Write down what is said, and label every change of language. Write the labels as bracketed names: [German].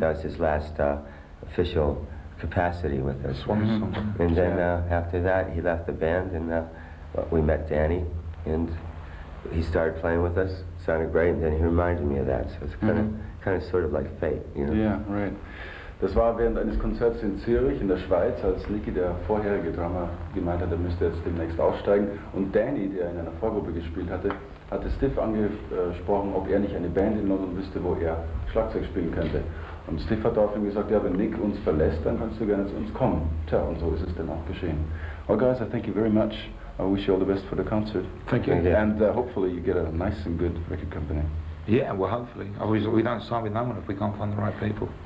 [English] That was his last official capacity with us. Mm-hmm. And then after that, he left the band and we met Danny. And he started playing with us, sounded great, and then he reminded me of that. So it's kind of... Mm-hmm. Kind of sort of like fate, you know? Yeah, right. [German] Das war während eines Konzerts in Zürich in der Schweiz, als Nicky, der vorherige Drummer, gemeint hat, er müsste jetzt demnächst aussteigen. Und Danny, der in einer Vorgruppe gespielt hatte, hatte Steve angesprochen, ob er nicht eine Band in London wüsste, wo er Schlagzeug spielen könnte. Und Steve hat daraufhin gesagt, ja, wenn Nick uns verlässt, dann kannst du gerne zu uns kommen. Tja, und so ist es dann auch geschehen. [English] Well, guys, I thank you very much. I wish you all the best for the concert. Thank you. Thank you. And hopefully you get a nice and good record company. Yeah, well, hopefully. Obviously, we don't sign with no one if we can't find the right people.